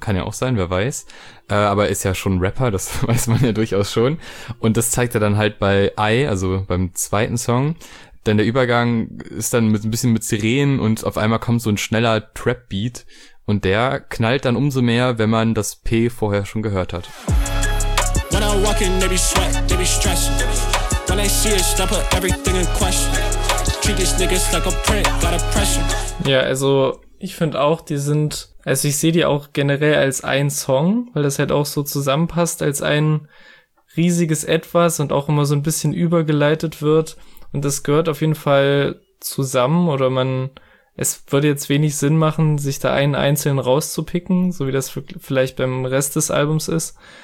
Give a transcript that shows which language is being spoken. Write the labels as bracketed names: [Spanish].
[German] Kann ja auch sein, wer weiß. Aber ist ja schon Rapper, das weiß man ja durchaus schon. Und das zeigt er dann halt bei I, also beim zweiten Song. Denn der Übergang ist dann mit ein bisschen mit Sirenen und auf einmal kommt so ein schneller Trap-Beat. Und der knallt dann umso mehr, wenn man das P vorher schon gehört hat. [English] When I'm walking, they be sweat, they be stressed. When they see us, they put everything in question. Treat these niggas like a prick, got a pressure. [German] Ja, also ich finde auch, die sind, also ich sehe die auch generell als ein Song, weil das halt auch so zusammenpasst als ein riesiges Etwas und auch immer so ein bisschen übergeleitet wird. Und das gehört auf jeden Fall zusammen, oder man, es würde jetzt wenig Sinn machen, sich da einen einzelnen rauszupicken, so wie das vielleicht beim Rest des Albums ist.